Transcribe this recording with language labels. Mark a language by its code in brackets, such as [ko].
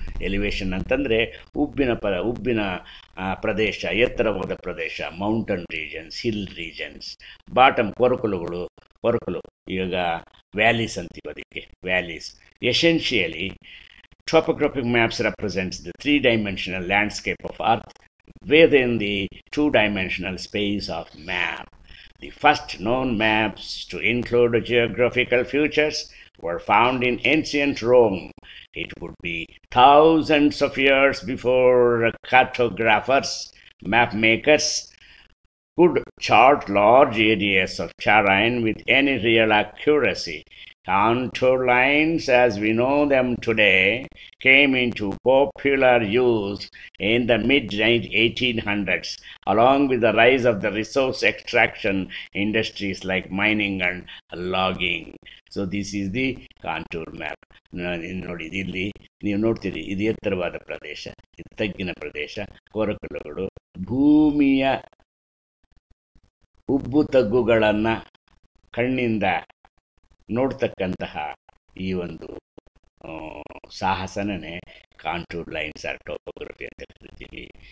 [kn] Elevation ಅಂತಂದರೆ ಉಬ್ಬಿನ ಪ್ರದೇಶ, ಎತ್ತರವಾದ ಪ್ರದೇಶ, mountain regions, hill regions. Bottom ಕೊರಕಲುಗಳು, ಕೊರಕಲು ಈಗ ವ್ಯಾಲೀಸ್ ಅಂತೀವಿ ಅದಕ್ಕೆ, valleys. [en] Essentially topographic maps represents the three dimensional landscape of earth with in the two dimensional space of map. The first known maps to include geographical features were found in ancient Rome. It would be thousands of years before cartographers, map makers, could chart large areas of terrain with any real accuracy. Contour lines, as we know them today, came into popular use in the mid-1800s, along with the rise of the resource extraction industries like mining and logging. So this is the contour map. [kn] ನೋಡಿ ಇಲ್ಲಿ ನೀವು ನೋಡ್ತೀರಿ, ಇದು ಎತ್ತರವಾದ ಪ್ರದೇಶ, ಇದು ತಗ್ಗಿನ ಪ್ರದೇಶ, ಕೋರಕಲ್ಲುಗಳು, ಭೂಮಿಯ ಉಬ್ಬು ತಗ್ಗುಗಳನ್ನು ಕಣ್ಣಿಂದ ನೋಡ್ತಕ್ಕಂತಹ ಈ ಒಂದು ಸಾಹಸನೇ ಕಾಂಟೂರ್ ಲೈನ್ಸ್ ಆರ್ ಟೋಪೋಗ್ರಫಿ ಅಂತ ಕರಿತೀವಿ.